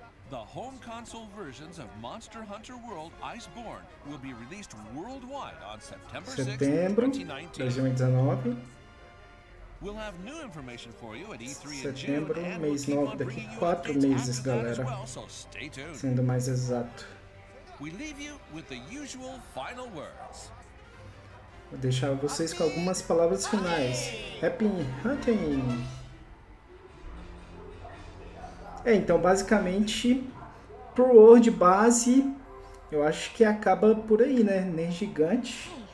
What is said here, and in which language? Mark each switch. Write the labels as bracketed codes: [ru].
[en] The home console versions of Monster Hunter World Iceborne will be released worldwide on September 6, 2019. We'll have new information for you at E3 in [pt] setembro, mês 9, daqui 4 meses, galera. Sendo mais exato. [en] We leave you with the usual final words. [pt] Vou deixar vocês com algumas palavras finais. [en] Happy hunting! [pt] Então basicamente pro World base eu acho que acaba por aí, né? Nergigante.